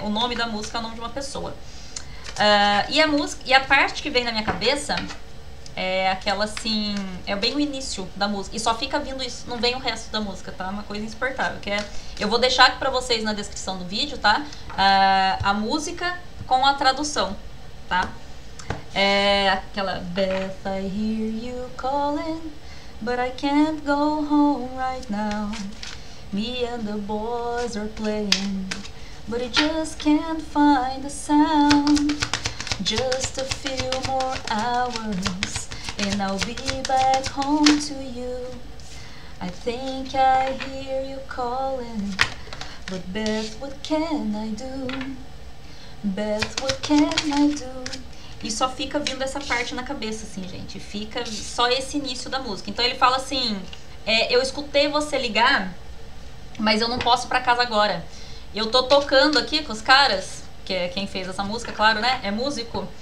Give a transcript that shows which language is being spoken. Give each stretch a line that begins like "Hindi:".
Portuguese: O nome da música é o nome de uma pessoa. E a música, e a parte que vem na minha cabeça é aquela assim, é bem o início da música. E só fica vindo isso, não vem o resto da música, tá? Uma coisa insuportável, que é, eu vou deixar aqui pra vocês na descrição do vídeo, tá? A música com a tradução, tá? É aquela
English: Beth, I hear you calling, but I can't go home right now. Me and the boys are playing, but I just can't find the sound. Just a few more hours, and I'll be back home to you. I think I hear you calling, but Beth, what can I do? Beth, what can I do?
Portuguese: E só fica vindo essa parte na cabeça, assim, gente. Fica só esse início da música. Então ele fala assim: eu escutei você ligar, mas eu não posso ir pra casa agora. Eu tô tocando aqui com os caras, que é quem fez essa música, claro, né? É músico.